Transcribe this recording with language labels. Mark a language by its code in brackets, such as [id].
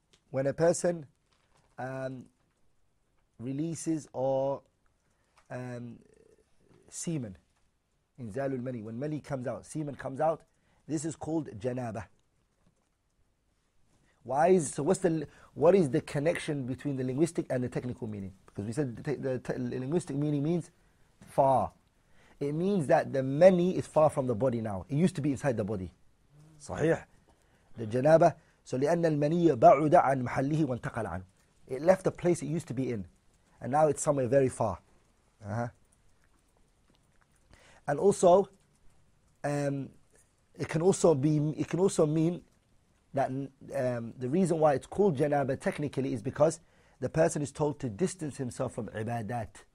[en] When a person releases or semen, inzalul mani, when mani comes out, semen comes out, this is called janaba. Why is, so what's the, what is the connection between the linguistic and the technical meaning? Because we said the linguistic meaning means far. It means that the mani is far from the body now. It used to be inside the body. Sahih. The janaba. [ar] So لأن المني بعد عن محله وانتقل عنه. [en] It left the place it used to be in, and now it's somewhere very far. And also, it can also mean that the reason why it's called janaba technically is because the person is told to distance himself from ibadat.